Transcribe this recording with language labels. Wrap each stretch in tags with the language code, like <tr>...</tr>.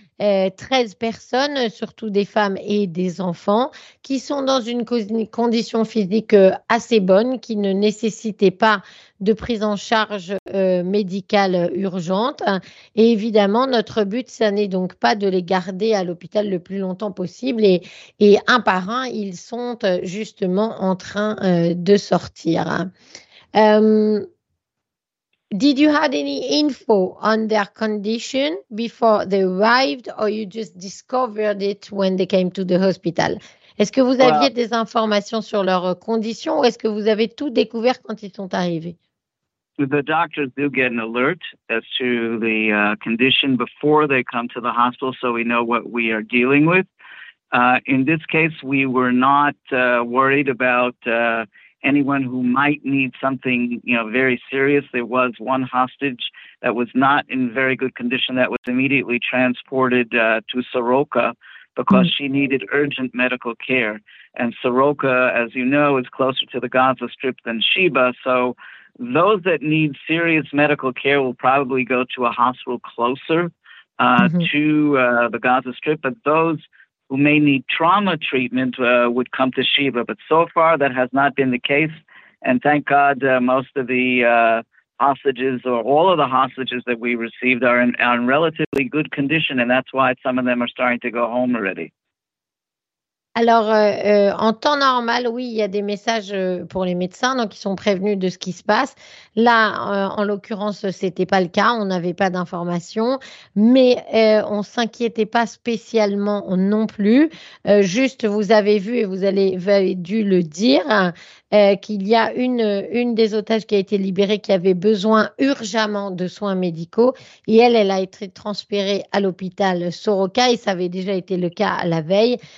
<fr>13 personnes, surtout des femmes et des enfants, qui sont dans une condition physique assez bonne, qui ne nécessitait pas de prise en charge médicale urgente. Et évidemment, notre but, ce n'est donc pas de les garder à l'hôpital le plus longtemps possible. Et un par un, ils sont justement en train de sortir.</fr> <en>Did you have any info on their condition before they arrived or you just discovered it when they came to the hospital?</en> <fr>Est-ce que vous aviez des informations sur leur condition ou est-ce que vous avez tout découvert quand ils sont arrivés?</fr> <en>The doctors do get an alert as to the condition before they come to the hospital so we know what we are dealing with. In this case, we were not worried about anyone who might need something, you know, very serious. There was one hostage that was not in very good condition that was immediately transported to Soroka because she needed urgent medical care. And Soroka, as you know, is closer to the Gaza Strip than Sheba. So those that need serious medical care will probably go to a hospital closer to the Gaza Strip. But those who may need trauma treatment would come to Sheba. But so far, that has not been the case. And thank God, most of the hostages or all of the hostages that we received are in relatively good condition. And that's why some of them are starting to go home already.</en> <fr>Alors, en temps normal, oui, il y a des messages pour les médecins, donc ils sont prévenus de ce qui se passe. Là, en l'occurrence, ce n'était pas le cas, on n'avait pas d'informations, mais on ne s'inquiétait pas spécialement non plus. Juste, vous avez vu et vous avez dû le dire, qu'il y a une des otages qui a été libérée qui avait besoin urgemment de soins médicaux et elle a été transférée à l'hôpital Soroka et ça avait déjà été le cas la veille.</fr>